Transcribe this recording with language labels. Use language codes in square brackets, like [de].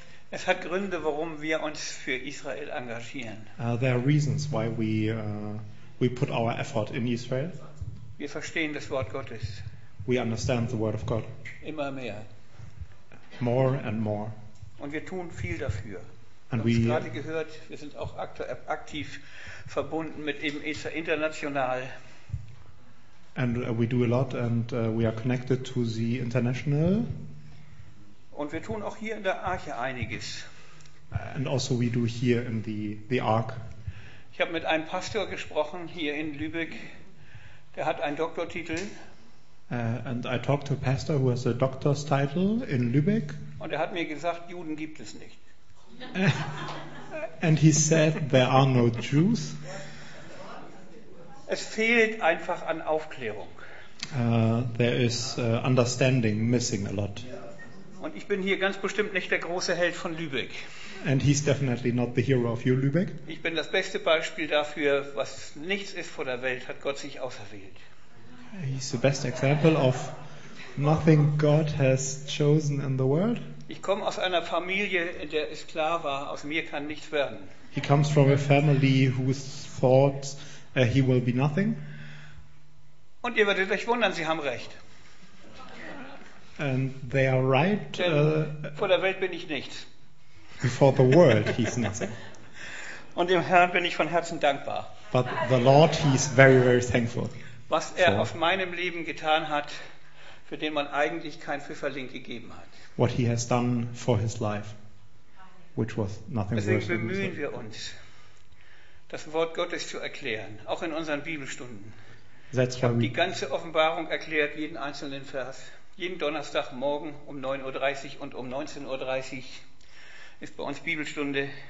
[de] Es hat Gründe, warum wir uns für Israel engagieren. [en] There are reasons why we put our effort in Israel. [de] Wir verstehen das Wort Gottes. [en] We understand the word of God. [de] Immer mehr. [en] More and more. [de] Und wir tun viel dafür. [en] And [de] wir haben es gerade gehört, wir sind auch aktiv verbunden mit dem international. [en] And we do a lot and we are connected to the international. [de] Und wir tun auch hier in der Arche einiges. [en] And also we do here in the Ark. [de] Ich habe mit einem Pastor gesprochen hier in Lübeck. Der hat einen Doktortitel. [en] And I talked to a pastor who has a doctor's title in Lübeck. [de] Und er hat mir gesagt, Juden gibt es nicht. [en] And he said there are no Jews. [de] Es fehlt einfach an Aufklärung. [en] There is understanding missing a lot. [de] Und ich bin hier ganz bestimmt nicht der große Held von Lübeck. [en] And he's definitely not the hero of you, Lübeck. [de] Ich bin das beste Beispiel dafür, was nichts ist vor der Welt, hat Gott sich auserwählt. [en] He's the best example of nothing God has chosen in the world. [de] Ich komme aus einer Familie, in der es klar war, aus mir kann nichts werden. [en] He comes from a family who thought he will be nothing. [de] Und ihr werdet euch wundern, sie haben recht. [en] And they are right. [de] Vor der Welt bin ich nichts. [en] Before the world, he's nothing. [de] Und dem Herrn bin ich von Herzen dankbar. [en] But the Lord, he's very, very thankful. [de] Was er auf meinem Leben getan hat, für den man eigentlich kein Pfifferling gegeben hat. [en] What he has done for his life, which was nothing worth. [de] Deswegen bemühen wir uns, das Wort Gottes zu erklären, auch in unseren Bibelstunden. Ich habe die ganze Offenbarung erklärt, jeden einzelnen Vers. Jeden Donnerstagmorgen um 9.30 Uhr und um 19.30 Uhr ist bei uns Bibelstunde.